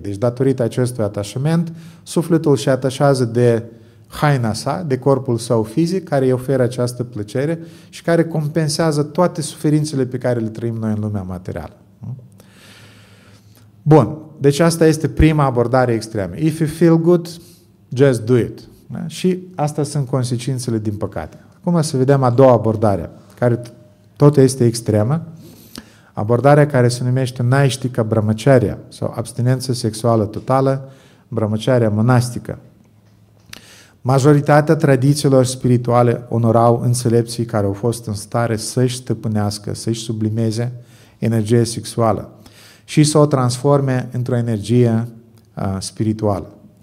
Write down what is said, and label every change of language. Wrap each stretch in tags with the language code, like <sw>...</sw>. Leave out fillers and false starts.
<ro>Deci datorită acestui atașament, sufletul se atașează de haina sa, de corpul său fizic, care îi oferă această plăcere și care compensează toate suferințele pe care le trăim noi în lumea materială. Bun, deci asta este prima abordare extremă.</ro> <en>If you feel good, just do it.</en> <ro>Da? Și asta sunt consecințele din păcate. Acum să vedem a doua abordare, care tot este extremă. Abordarea care se numește Naishtika Brahmacharya sau abstinență sexuală totală, Brahmacharya monastică. Majoritatea tradițiilor spirituale onorau înțelepții care au fost în stare să-și stăpânească, să-și sublimeze energia sexuală și să o transforme într-o energie spirituală.</ro>